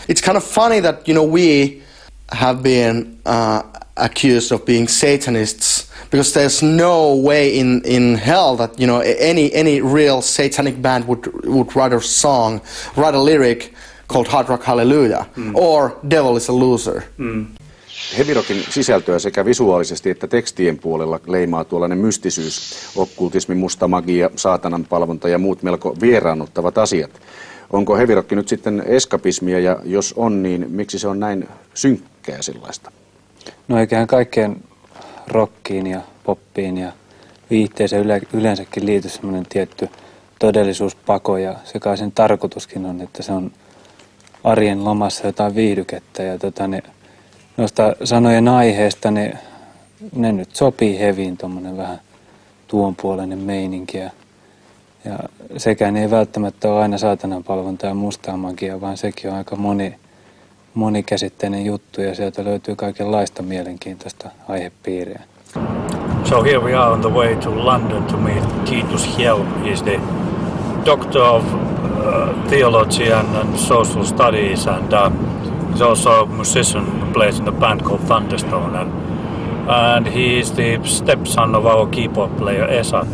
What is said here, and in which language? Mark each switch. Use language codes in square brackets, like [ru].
[en] It's kind of funny that, you know, we have been accused of being Satanists, because there's no way in hell that, you know, any real satanic band would write a lyric called Hard Rock Hallelujah or Devil is a Loser. [fi] Heavy rockin sisältöä sekä visuaalisesti että tekstien puolella leimaa tuollainen mystisyys, okkultismi, musta magia, saatanan palvonta ja muut melko vieraannuttavat asiat. Onko heavy rock nyt sitten eskapismia, ja jos on, niin miksi se on näin synkkä? No eiköhän kaikkeen rockiin ja poppiin ja viihteeseen yleensäkin liity semmoinen tietty todellisuuspako, ja se kai sen tarkoituskin on, että se on arjen lomassa jotain viihdykettä. Ja noista sanojen aiheesta ne nyt sopii heviin, tuommoinen vähän tuonpuoleinen meininki. Ja sekään ei välttämättä ole aina saatananpalvonta ja mustaa magia, vaan sekin on aika monikäsitteinen juttu, ja sieltä löytyy kaikenlaista mielenkiintoista aihepiiriä. [en] So here we are on the way to London to meet Titus Hjelm. He's the doctor of theology and social studies, and he's also a musician who plays in a band called Thunderstone, and he is the stepson of our keyboard player Esa.